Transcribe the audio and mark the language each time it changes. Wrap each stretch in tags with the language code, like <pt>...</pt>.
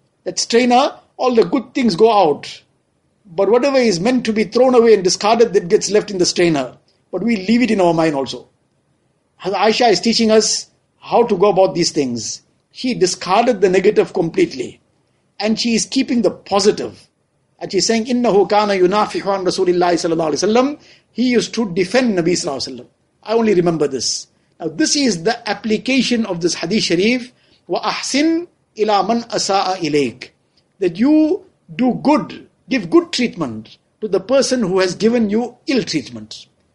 <en>That strainer, all the good things go out. But whatever is meant to be thrown away and discarded, that gets left in the strainer. But we leave it in our mind also. Aisha is teaching us how to go about these things. She discarded the negative completely. And she is keeping the positive. And she's saying,</en> <ar>إِنَّهُ كَانَ يُنَافِحُ عَنْ رَسُولِ اللَّهِ صلى الله عليه وسلم.</ar> <en>He used to defend Nabi صلى الله عليه وسلم. I only remember this. Now this is the application of this Hadith Sharif.</en> <ar>وَأَحْسِنْ إِلَى مَنْ أَسَاءَ إِلَيْكَ.</ar> <en>That you do good, give good treatment to the person who has given you ill treatment.</en>